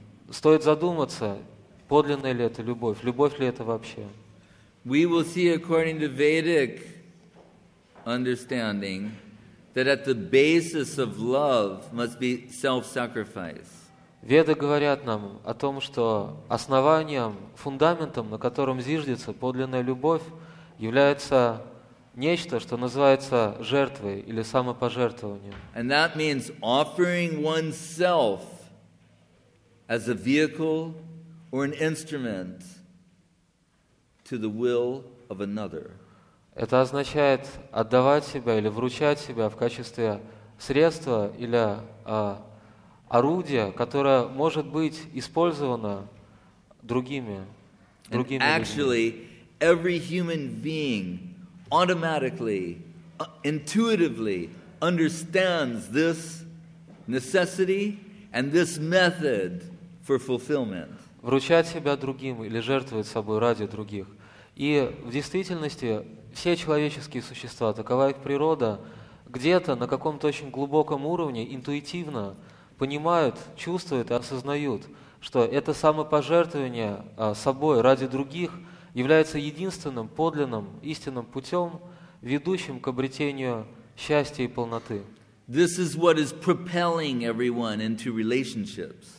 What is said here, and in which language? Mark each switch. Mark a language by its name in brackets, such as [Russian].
[Russian] Стоит задуматься, подлинная ли это любовь, любовь ли это вообще. [English] We will see according to Vedic understanding that at the basis of love must be self-sacrifice. [Russian] Веды говорят нам о том, что основанием, фундаментом, на котором зиждется подлинная любовь, является нечто, что называется жертвой или самопожертвованием. [English] And that means offering oneself as a vehicle or an instrument to the will of another. [Russian] Это означает отдавать себя или вручать себя в качестве средства или орудия, которое может быть использовано другими людьми. [English] Actually, every human being automatically, intuitively understands this necessity and this method for fulfillment. [Russian] Вручать себя другим или жертвовать собой ради других. И в действительности все человеческие существа, такова их природа, где-то на каком-то очень глубоком уровне интуитивно понимают, чувствуют и осознают, что это самопожертвование собой ради других является единственным подлинным истинным путем, ведущим к обретению счастья и полноты. [English] This is what is propelling everyone into relationships.